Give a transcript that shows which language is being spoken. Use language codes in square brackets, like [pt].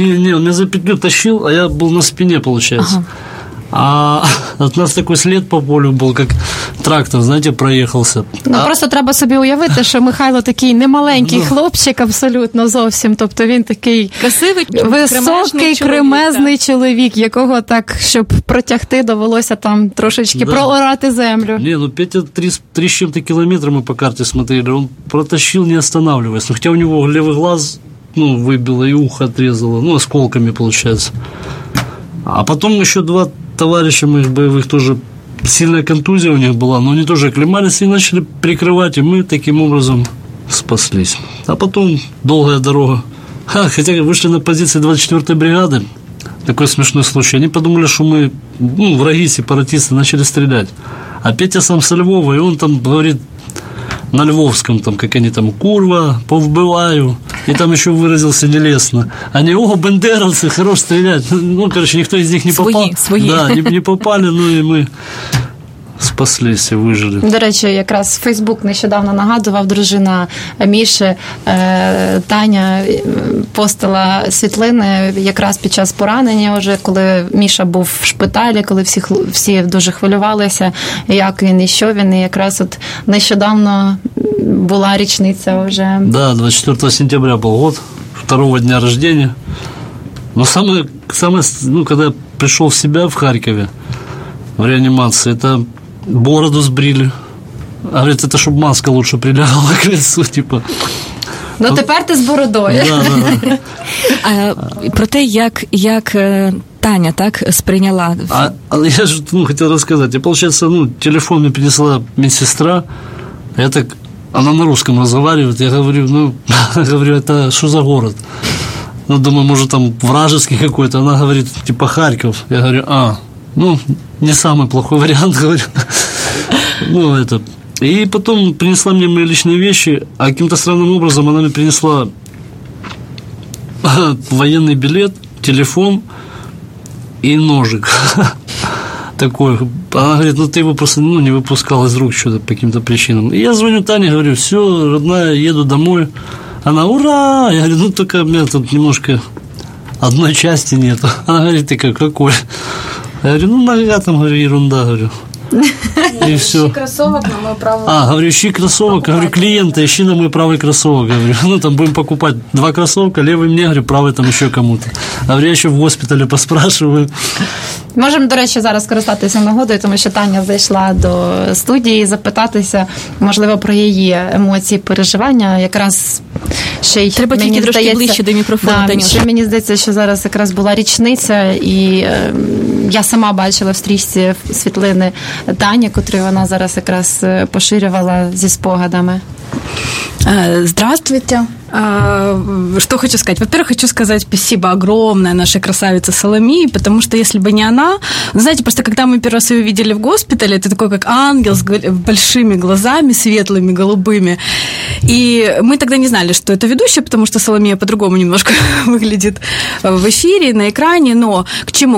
[ru] Ні, он меня за петлю тащил, а я был на спине, получается. Ага. А от нас такой след по полю был, как трактор, знаете, проехался. [uk] Ну, просто треба собі уявити, що Михайло такий немаленький хлопчик абсолютно зовсім. Тобто він такий... Красивий, високий, кремезний чоловік, якого так, щоб протягти, довелося там трошечки проорати землю. Ні, ну, Петя три з чим-то кілометри ми по карті смотрели. [ru] Он протащил, не останавливаясь. [uk] Ну, хоча у нього левий глаз, ну, вибило, і ухо отрізало. Ну, осколками, виходить. [ru] А потом еще два товарища моих боевых тоже, сильная контузия у них была, но они тоже оклемались и начали прикрывать, и мы таким образом спаслись. А потом долгая дорога. Ха, хотя вышли на позиции 24-й бригады, такой смешной случай. Они подумали, что мы, ну, враги, сепаратисты, начали стрелять. А Петя сам со Львова, и он там говорит на львовском, там, как они там, курва, повбиваю. И там еще выразился нелестно. Они, ого, бендеровцы, хорош стрелять. Ну, короче, никто из них не свои, попал. Свои. Да, не попали, ну и мы спаслись и выжили. [uk] До речі, якраз Фейсбук нещодавно нагадував, дружина Міші, Таня постала світлини якраз під час поранення вже, коли Міша був в шпиталі, коли всі дуже хвилювалися, як він і що він, і якраз от нещодавно була річниця вже. [ru] Так, да, 24 сентября був год, второго дня рождения. [uk] Ну, саме, ну, коли прийшов в себе в Харкові в реанімації, це бороду збрили. [ru] А говорит, это чтобы маска лучше прилягала к лицу, типа. [uk] Ну, тепер ти з бородою. [ru] Да, да, да. [uk] А про те, як Таня так сприйняла. [ru] А я ж, ну, хотел рассказать. Я, получается, ну, телефон мне принесла медсестра. Я так, она на русском разговаривает. Я говорю, ну, говорю, это что за город? Ну, думаю, может, там вражеский какой-то. Она говорит, типа, Харьков. Я говорю, а, ну, не самый плохой вариант, говорю. Ну, это. И потом принесла мне мои личные вещи, а каким-то странным образом она мне принесла военный билет, телефон и ножик. Такой. Она говорит, ну, ты его просто, ну, не выпускал из рук что-то по каким-то причинам. И я звоню Тане, говорю, все, родная, еду домой. Она, ура! Я говорю, ну, только у меня тут немножко одной части нету. Она говорит, ты какой? Я говорю, ну, нога там, говорю, ерунда, говорю. И все. Ищи кроссовок на мой правый. А, говорю, ищи кроссовок, покупать. Говорю, клиента, ищи на мой правый кроссовок, говорю. Ну, там будем покупать два кроссовка, левый мне, говорю, правый там еще кому-то. Говорю, я еще в госпитале поспрашиваю. [uk] Можемо, до речі, зараз скористатися нагодою, тому що Таня зайшла до студії запитатися, можливо, про її емоції, переживання. Якраз ще й треба тільки трошки здається, ближче до мікрофону. Да, ще мені здається, що зараз якраз була річниця, і я сама бачила в стрічці світлини Тані, котрі вона зараз якраз поширювала зі спогадами. [ru] Здравствуйте. Что хочу сказать? Во-первых, хочу сказать спасибо огромное нашей красавице Соломии, потому что если бы не она... Знаете, просто когда мы первый раз ее увидели в госпитале, это такой как ангел с большими глазами, светлыми, голубыми. И мы тогда не знали, что это ведущая, потому что Соломия по-другому немножко выглядит в эфире, на экране. Но к чему?